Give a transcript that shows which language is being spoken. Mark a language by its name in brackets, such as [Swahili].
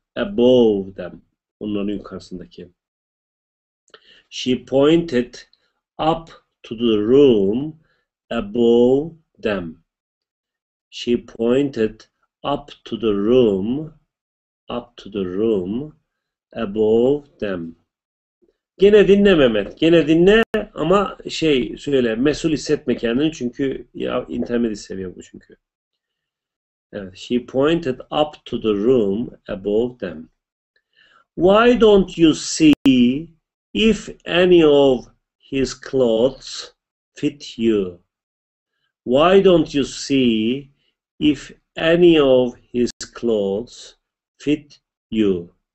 [English] Above them. [Turkish] Onların yukarısındaki. [English] She pointed up to the room above them. She pointed up to the room, up to the room above them. [Turkish] Gene dinle Mehmet, gene dinle ama şey söyle, mesul hissetme kendini çünkü ya intermediate seviye bu çünkü. [English] Evet, she pointed up to the room above them. Why don't you see if any of his clothes fit you? Why don't you see if any of his clothes fit you?